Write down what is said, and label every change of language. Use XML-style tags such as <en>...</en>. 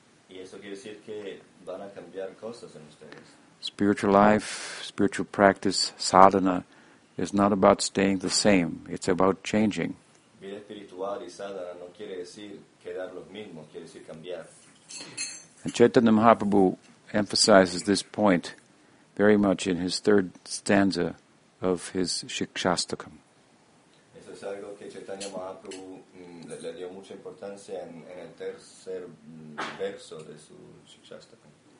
<es>Y eso quiere decir que van a cambiar cosas en ustedes.</es> <en>Spiritual life, spiritual practice, sadhana, is not about staying the same. It's about changing.</en> <es>Vida espiritual y sadhana no quiere decir quedar los mismos, quiere decir cambiar.</es> <en>And Chaitanya Mahaprabhu emphasizes this point very much in his third stanza of his Siksastakam.</en> <es>Eso es algo que Chaitanya Mahaprabhu le dio mucha importancia en el tercer verso de su Siksastakam.</es>